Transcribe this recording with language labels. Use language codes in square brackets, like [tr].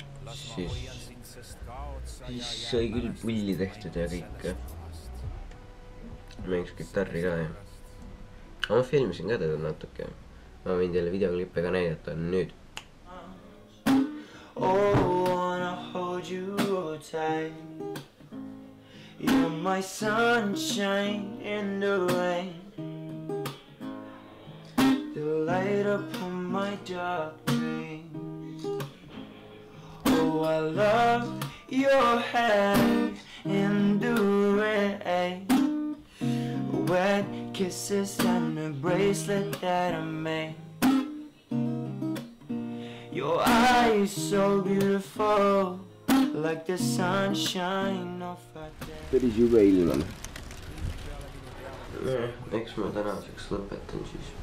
[et] Siis sai küll pulli tehtud ja kõik. Mängis gitarri ka, jah. Ma filmisin ka teda natuke. Ma võin teile videoklippe ka näidata nüüd. [en] Oh, I wanna hold you tight. You're my sunshine in the rain. The light upon my dark dreams. Oh, I love your head in the rain, wet kisses on the bracelet that I made. Your eyes so beautiful, like the sunshine of a day. [et] Päris juba ilm on. Eks ma tänaseks lõpetan siis?